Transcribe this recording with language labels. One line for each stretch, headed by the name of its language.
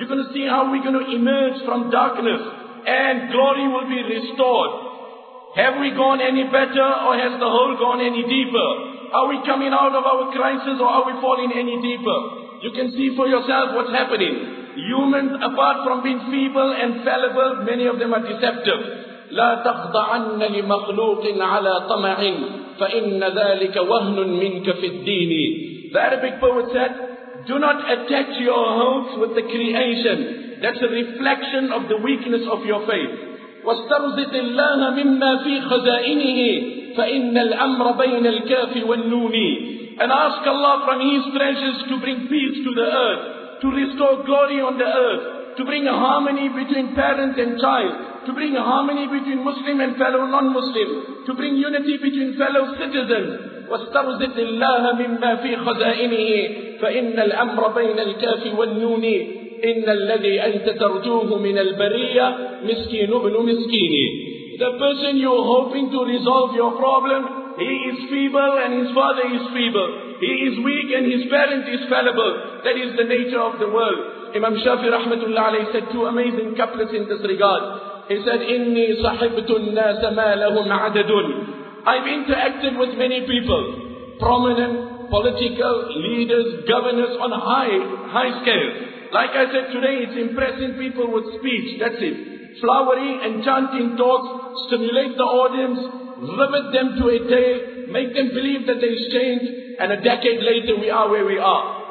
English: You're going to see how we're going to emerge from darkness and glory will be restored. Have we gone any better or has the hole gone any deeper? Are we coming out of our crisis or are we falling any deeper? You can see for yourself what's happening. Humans, apart from being feeble and fallible, many of them are deceptive.
Arabic: لا تخضعن لمخلوق على طمع فإن ذلك وهن منك في الدين.
English: The Arabic poet said, do not attach your hopes with the creation. That's a reflection of the weakness of your faith.
Arabic: واسترزق الله مما في خزائنه فإن الأمر بين الكاف والنون.
English: And ask Allah from His treasures to bring peace to the earth, to restore glory on the earth, to bring harmony between parent and child, to bring harmony between Muslim and fellow non-Muslim, to bring unity between fellow citizens.
Arabic: وَاسْتَرْزِقِ اللَّهَ مِمَّا فِي خَزَائِنِهِ فَإِنَّ الْأَمْرَ بَيْنَ الْكَافِ وَالنُّونِ إِنَّ الَّذِي أَنْتَ تَرْجُوهُ مِنَ الْبَرِيَّةِ مِسْكِينُ بْنُ مِسْكِينِ.
English: The person you're hoping to resolve your problem, he is feeble and his father is feeble. He is weak and his parent is fallible. That is the nature of the world. Imam Shafi rahmatullah alayhi said two amazing couplets in this regard. He said,
Arabic: إِنِّي صَحِبْتُ النَّاسَ مَا لَهُمْ عَدَدٌ.
English: I've interacted with many people, prominent political leaders, governors on high scales. Like I said, today it's impressing people with speech, that's it. Flowery, enchanting talks, stimulate the audience, rivet them to a tale, make them believe that there is change, and a decade later we are where we are.